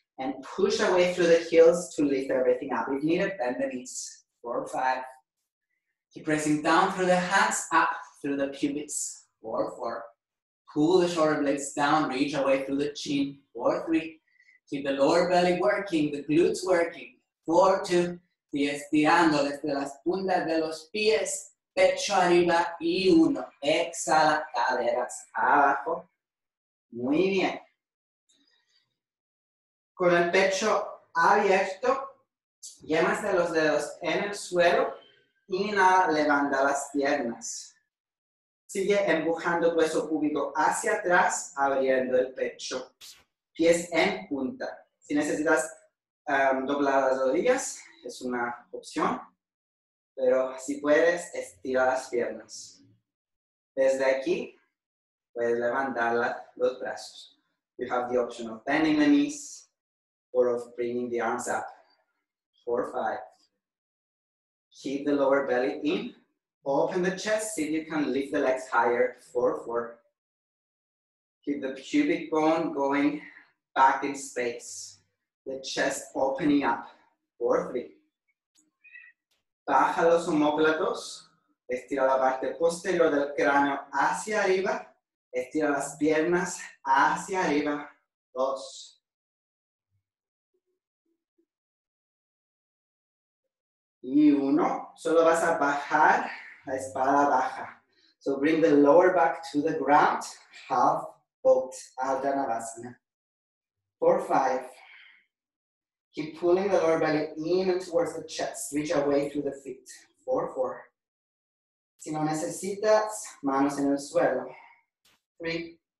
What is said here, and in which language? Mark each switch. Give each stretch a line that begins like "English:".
English: And push away through the heels to lift everything up. If needed, bend the knees. 4, 5. Keep pressing down through the hands, up through the pubis. 4, 4. Pull the shoulder blades down. Reach away through the chin. 4, 3. Keep the lower belly working, the glutes working. 4, 2.
Spanish: Y estirando desde las puntas de los pies, pecho arriba y uno. Exhala, caderas abajo. Muy bien. Con el pecho abierto, yemas de los dedos en el suelo. Inhala, levanta las piernas. Sigue empujando tu hueso púbico hacia atrás, abriendo el pecho. Pies en punta. Si necesitas doblar las rodillas, es una opción, pero si puedes, estira las piernas. Desde aquí, puedes levantar los brazos.
English: You have the option of bending the knees or of bringing the arms up. 4, 5. Keep the lower belly in. Open the chest, see if you can lift the legs higher. 4, 4. Keep the pubic bone going back in space. The chest opening up. 4, 3.
Spanish: Baja los omóplatos, estira la parte posterior del cráneo hacia arriba, estira las piernas hacia arriba, 2. Y 1, solo vas a bajar la espalda baja.
English: So bring the lower back to the ground, half boat, Ardha Navasana. 4, 5. Keep pulling the lower belly in and towards the chest. Reach away through the feet. 4, 4.
Spanish: Si no necesitas, manos en el suelo.
English: 3.